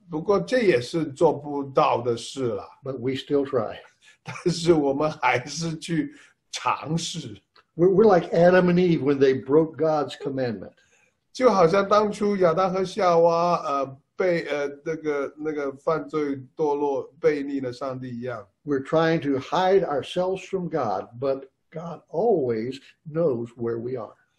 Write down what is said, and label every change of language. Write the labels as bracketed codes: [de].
[zh] 不过这也是做不到的事了。 [en] But we still try. [zh] 但是我们还是去尝试。 [en] We're like Adam and Eve when they broke God's commandment. [zh] 就好像当初亚当和夏娃被那个犯罪堕落背逆了上帝一样。 [en] We're trying to hide ourselves from God, but God always knows where we are.